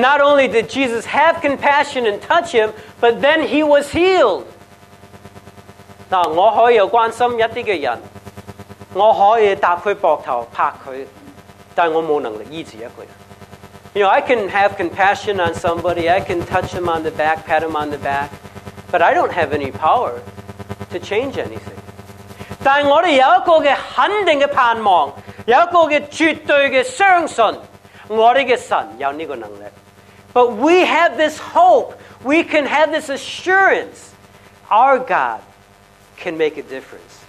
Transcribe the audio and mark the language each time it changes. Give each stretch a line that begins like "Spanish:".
English: not only did Jesus have compassion and touch him, but then he was healed.
Chinese: 我可以关心一些人，我可以搭他膊头，拍他，但我没能力医治一个人。
English: You know, I can have compassion on somebody, I can touch them on the back, pat them on the back, but I don't have any power to change anything.
Chinese: 但我们有一个肯定的盼望，有一个绝对的相信，我们的神有这个能力。
English: But we have this hope, we can have this assurance, our God can make a difference.